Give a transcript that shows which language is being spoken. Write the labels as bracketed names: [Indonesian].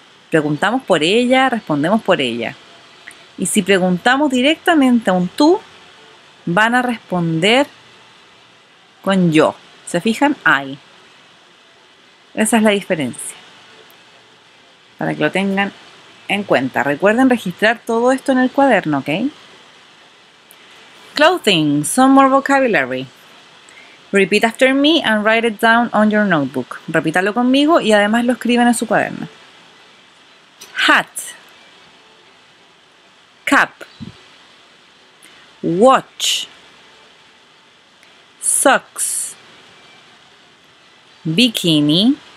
[Spanish] Preguntamos por ella, respondemos por ella. Y si preguntamos directamente a un tú, van a responder con yo. ¿Se fijan? I. Esa es la diferencia. Para que lo tengan en cuenta. Recuerden registrar todo esto en el cuaderno, ¿ok? [English] Clothing, some more vocabulary. Repeat after me and write it down on your notebook. [Spanish] Repítalo conmigo y además lo escriben en su cuaderno. [English] Hat. Cap. Watch. Socks. Bikini.